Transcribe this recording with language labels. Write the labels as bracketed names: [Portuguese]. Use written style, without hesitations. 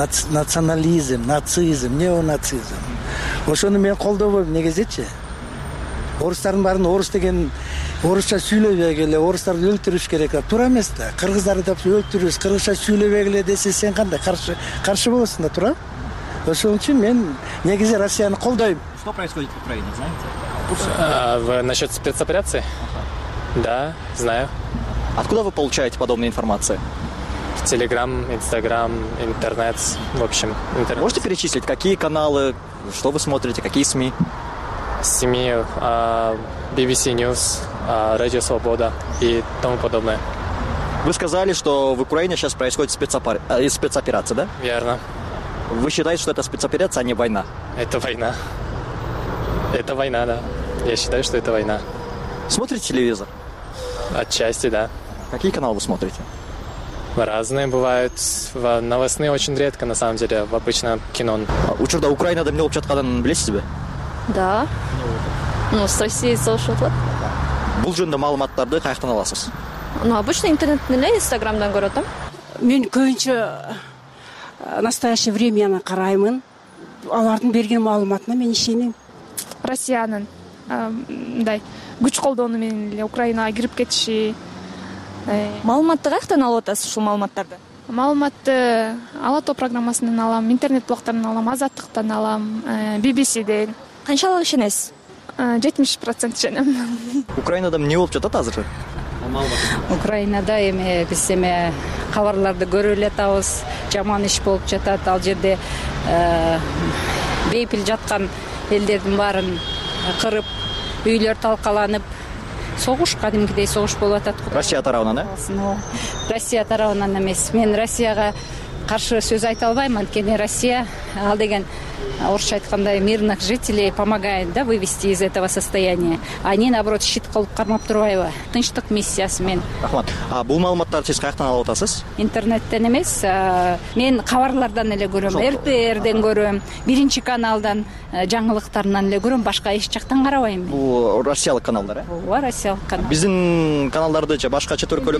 [Russian] Национализм, нацизм, неонацизм. [Kyrgyz] Ошону мен колдобойм негизичи. Орустардын баарын орус деген орусча сүйлөбөгүле, орустарды өлтүрүш керек да. Туура эмес да. Кыргыздарды деп өлтүрүш, кыргызча сүйлөбөгүле десе сен кандай каршы болосуң да, туура? Ошон үчүн мен негизи Россияны колдойм. [Russian] Что происходит в Украине, знаете? Насчет спецоперации? Да, знаю. Откуда вы получаете подобные информации? Телеграм, Инстаграм, интернет, в общем, интернет. Можете перечислить, какие каналы, что вы смотрите, какие СМИ? СМИ, BBC News, Радио Свобода и тому подобное. Вы сказали, что в Украине сейчас происходит спецоперация, да? Верно. Вы считаете, что это спецоперация, а не война? Это война. Это война, да. Я считаю, что это война. Смотрите телевизор? Отчасти, да. Какие каналы вы смотрите? Разные бывают. Новостные очень редко, на самом деле. Обычно кино. [Kyrgyz] Учурда Украинада эмне болуп жатканын билесизби? [Russian] Да. Ну, с Россией [Kyrgyz] соушу атат. Бул жөнүндө маалыматтарды каяктан аласыз? [Russian] Ну, обычно [Kyrgyz] интернеттен эле, Инстаграмдан көрөт. Мен көбүнчө настоящее времяны караймын. Алардын берген маалыматына мен ишенем. Россиянын мындай күч колдонуу менен эле Украинага кирип кетиши. Маалыматты каяктан алып атасыз ушул маалыматтарды? Маалыматты Ала Тоо программасынан алам, интернет блогторунан алам, Азаттыктан алам, BBC-ден. Канчалык ишенесиз? 70% ишенем. Украинада эмне болуп жатат азыр? Украинада эми биз эми кабарларды көрө эле атабыз. Жаман иш болуп жатат. Ал жерде бейпил жаткан элдердин баарын кырып, үйлөр талкаланып, согуш кадимкидей согуш болуп атат. Россия тарабынан, э? Россия тарабынан эмес. Мен Россияга каршы сөз айта албайм, анткени Россия ал деген орусча айткандай [Russian] мирных жителей помогает, да, вывести из этого состояния. Они наоборот [Kyrgyz] щит кылып кармап турбайбы? Тынчтык миссиясы мен. Рахмат. Бул маалыматтарды сиз каяктан алып атасыз? Интернеттен эмес, мен кабарлардан эле көрөм, РТРден көрөм, биринчи каналдан, жаңылыктарынан эле көрөм, башка эч жактан карабайм. Бул россиялык каналдар, э? Ооба, россиялык канал. Биздин каналдарды же башка чет өлкөлүк?